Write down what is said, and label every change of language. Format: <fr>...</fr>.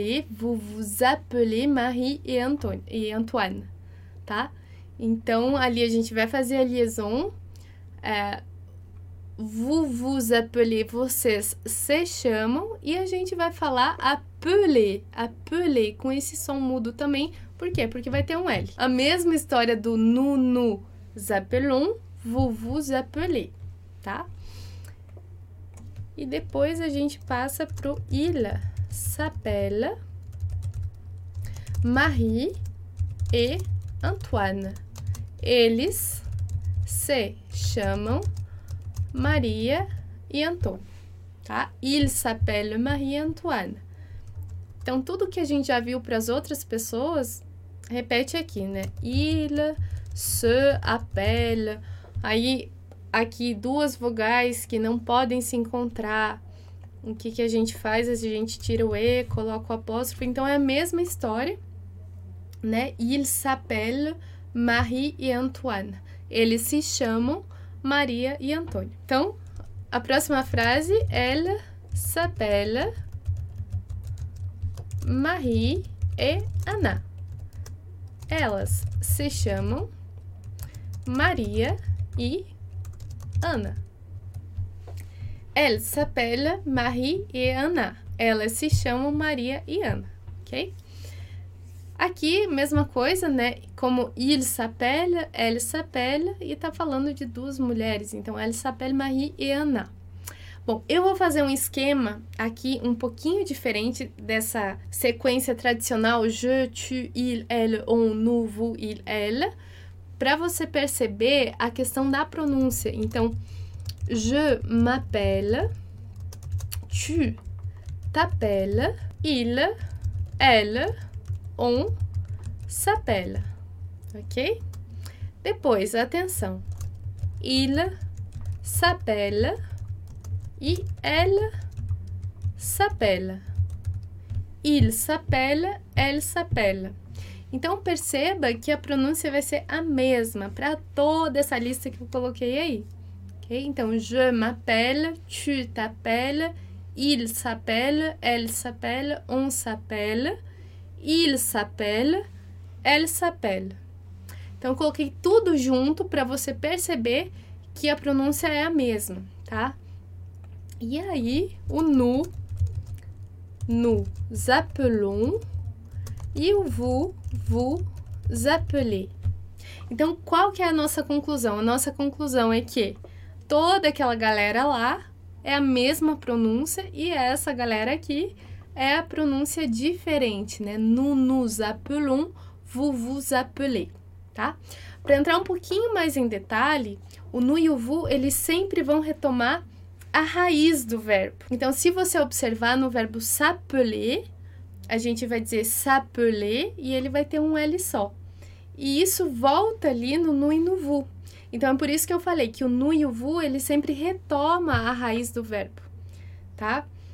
<fr>Vous vous appelez Marie e Antoine, tá?</fr> <pt>Então, ali a gente vai fazer a liaison.</pt> <fr>Vous vous appelez,</fr> <pt>vocês se chamam, e a gente vai falar</pt> <fr>appeler, appeler,</fr> <pt>com esse som mudo também. Por quê? Porque vai ter um L. A mesma história do</pt> <fr>nous nous appelons, vous vous appelez,</fr> <pt>tá? E depois a gente passa pro</pt> <fr>il s'appelle Marie e Antoine.</fr> <pt>Eles se chamam Maria e Antoine, tá?</pt> <fr>Il s'appelle Marie Antoine.</fr> <pt>Então, tudo que a gente já viu para as outras pessoas, repete aqui, né?</pt> <fr>Il se appelle.</fr> <pt>Aí, aqui, duas vogais que não podem se encontrar. O que, que a gente faz? A gente tira o E, coloca o apóstrofo. Então, é a mesma história, né?</pt> <fr>Il s'appelle Marie e Antoine.</fr> <pt>Eles se chamam Maria e Antônio. Então, a próxima frase,</pt> <fr>elle s'appelle Marie et Anna.</fr> <pt>Elas se chamam Maria e Anna.</pt> <fr>Elle s'appelle Marie et Anna.</fr> <pt>Elas se chamam Maria e Anna, ok? Aqui, mesma coisa, né? Como</pt> <fr>il s'appelle, elle s'appelle,</fr> <pt>e tá falando de duas mulheres.</pt> <fr>Então, elle s'appelle Marie et Anna.</fr> <pt>Bom, eu vou fazer um esquema aqui um pouquinho diferente dessa sequência tradicional</pt> <fr>je, tu, il, elle,</fr> <pt>on, nous, vous, il, elle, para você perceber a questão da pronúncia.</pt> <fr>Então, je m'appelle, tu t'appelles, il, elle, on s'appelle. Ok?</fr> <pt>Depois, atenção.</pt> <fr>Il s'appelle e elle s'appelle. Il s'appelle, elle s'appelle.</fr> <pt>Então, perceba que a pronúncia vai ser a mesma para toda essa lista que eu coloquei aí. Ok?</pt> <fr>Então, je m'appelle, tu t'appelles, il s'appelle, elle s'appelle, on s'appelle. Il s'appelle, elle s'appelle.</fr> <pt>Então, eu coloquei tudo junto para você perceber que a pronúncia é a mesma, tá? E aí, o</pt> <fr>nous, nous appelons,</fr> <pt>e o</pt> <fr>vous, vous appelez.</fr> <pt>Então, qual que é a nossa conclusão? A nossa conclusão é que toda aquela galera lá é a mesma pronúncia e essa galera aqui é a pronúncia diferente, né? Nous nous appelons, vous vous appelez, tá? Para entrar um pouquinho mais em detalhe, o nous e o vous, eles sempre vão retomar a raiz do verbo. Então, se você observar no verbo s'appeler, a gente vai dizer s'appeler e ele vai ter um L só. E isso volta ali no nous e no vous. Então, é por isso que eu falei que o nous e o vous, ele sempre retoma a raiz do verbo, tá?</pt>